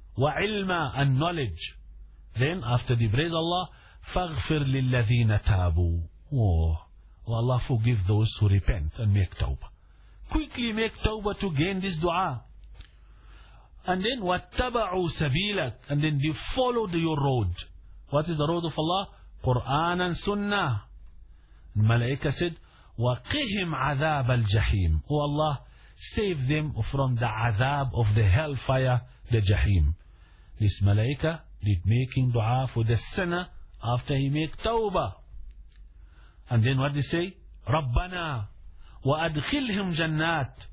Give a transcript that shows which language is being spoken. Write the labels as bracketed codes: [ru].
[ar] وَعِلْمًا, [en] and knowledge. Then, after the praise Allah, [ar] فَغْفِرْ لِلَّذِينَ تَابُوا. [en] Oh, Allah, forgive those who repent and make tawbah. Quickly make tawbah to gain this dua. And then, [ar] وَاتَّبَعُوا سَبِيلَكَ, [en] and then they followed your road. What is the road of Allah? Quran and Sunnah. Malaika said, [ar] وَقِهِمْ عَذَابَ الْجَحِيمِ. [en] Oh Allah, save them from the azab of the hellfire, the jahim. This Malaika did making dua for the sinner after he make tawbah. And then what they say? [ar] رَبَّنَا وَأَدْخِلْهِمْ جَنَّاتِ.